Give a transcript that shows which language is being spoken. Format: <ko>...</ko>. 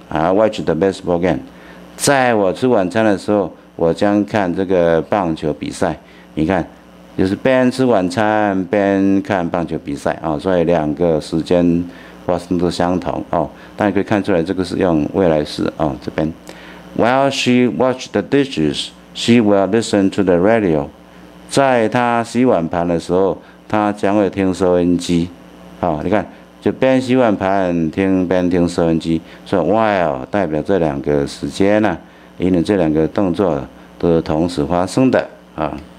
<en>I'll watch the baseball game.</en> <zh>在我吃晚餐的时候，我将看这个棒球比赛。你看，就是边吃晚餐边看棒球比赛啊、哦，所以两个时间发生都相同哦。大家可以看出来，这个是用未来式哦，这边。</zh> <en>While she washes the dishes, she will listen to the radio.</en> <zh>在她洗碗盘的时候，她将会听收音机。好、哦，你看，就边洗碗盘听边听收音机。所以 while 代表这两个时间呢、啊，引领这两个动作都是同时发生的啊。</zh>